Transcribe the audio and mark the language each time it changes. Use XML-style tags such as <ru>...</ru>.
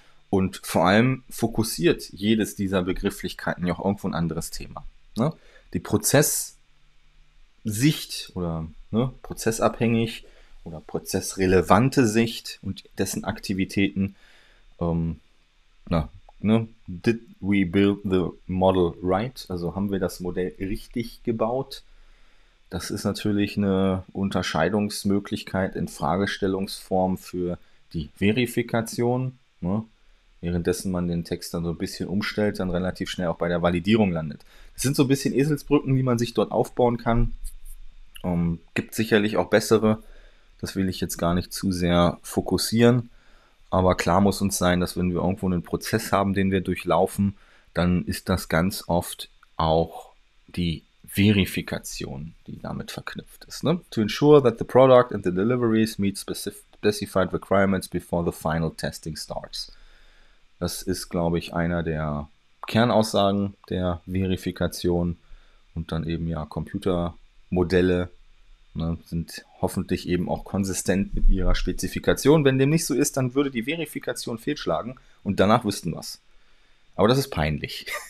<de>Und vor allem fokussiert jedes dieser Begrifflichkeiten ja auch irgendwo ein anderes Thema. Ne? Die Prozesssicht oder ne, prozessabhängig oder prozessrelevante Sicht und dessen Aktivitäten. Ne?</de> <en>Did we build the model right?</en> <de>Also haben wir das Modell richtig gebaut? Das ist natürlich eine Unterscheidungsmöglichkeit in Fragestellungsform für die Verifikation. Ne? Währenddessen man den Text dann so ein bisschen umstellt, dann relativ schnell auch bei der Validierung landet. Das sind so ein bisschen Eselsbrücken, die man sich dort aufbauen kann. Gibt sicherlich auch bessere. Das will ich jetzt gar nicht zu sehr fokussieren. Aber klar muss uns sein, dass wenn wir irgendwo einen Prozess haben, den wir durchlaufen, dann ist das ganz oft auch die Verifikation, die damit verknüpft ist. Ne?</de> <en>To ensure that the product and the deliveries meet specified requirements before the final testing starts.</en> <de>Das ist, glaube ich, einer der Kernaussagen der Verifikation und dann eben ja Computermodelle, ne, sind hoffentlich eben auch konsistent mit ihrer Spezifikation. Wenn dem nicht so ist, dann würde die Verifikation fehlschlagen und danach wüssten wir es. Aber das ist peinlich.</de>